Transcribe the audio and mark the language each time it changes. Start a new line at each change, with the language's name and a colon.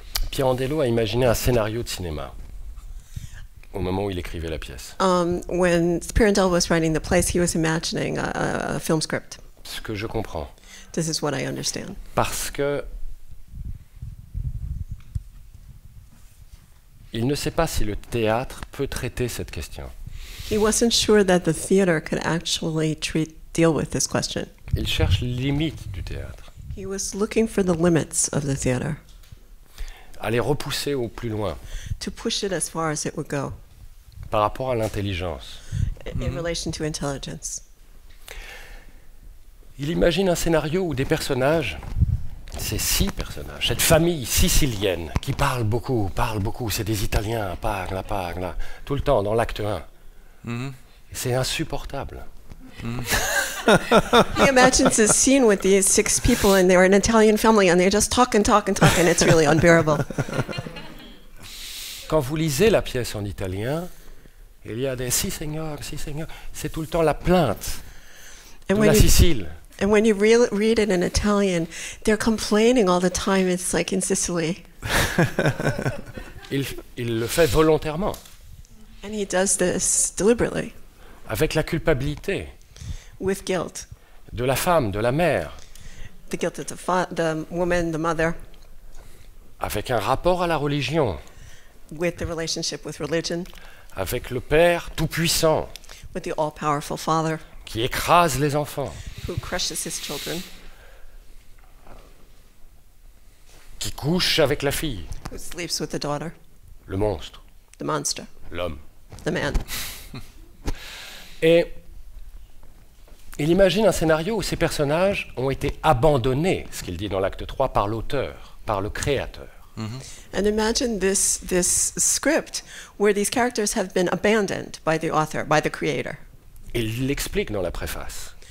French: Pirandello a imaginé un scénario de cinéma au moment où il écrivait la pièce.
English: When Pirandello was writing the play, he was imagining a film script.
French: Ce que je comprends.
English: This is what I understand.
French: Parce que il ne sait pas si le théâtre peut traiter cette question.
English: He wasn't sure that the theater could actually deal with this question.
French: Il cherche les limites du théâtre.
English: He was looking for the limits of the theater.
French: Aller repousser au plus loin.
English: To push it as far as it would go.
French: Par rapport à l'intelligence.
English: In relation to intelligence.
French: Il imagine un scénario où des personnages ces six personnages, cette famille sicilienne qui parle beaucoup, c'est des Italiens, parle, parle, tout le temps dans l'acte 1. Mm-hmm. C'est insupportable. Mm.
English: He imagines a scene with these six people and they're an Italian family and they just talk and talk and talk and it's really unbearable.
French: Quand vous lisez la pièce en italien, il y a des si seigneur, c'est tout le temps la plainte de la Sicile.
English: And when you read it in Italian, they're complaining all the time, it's like in Sicily.
French: Il le fait volontairement.
English: And he does this deliberately.
French: Avec la culpabilité.
English: With guilt.
French: De la femme, de la mère.
English: The guilt of the woman, the mother.
French: Avec un rapport à la religion.
English: With the relationship with religion.
French: Avec le Père Tout-Puissant.
English: With the all-powerful Father.
French: Qui écrase les enfants.
English: Who crushes his children.
French: Qui couche avec la fille.
English: Who sleeps with the daughter.
French: Le monstre.
English: The monster.
French: L'homme.
English: The man.
French: Et il imagine un scénario où ces personnages ont été abandonnés, ce qu'il dit dans l'acte 3, par l'auteur, par le créateur. Mm-hmm.
English: And imagine this script where these characters have been abandoned by the author, by the creator.
French: Il l'explique dans la préface.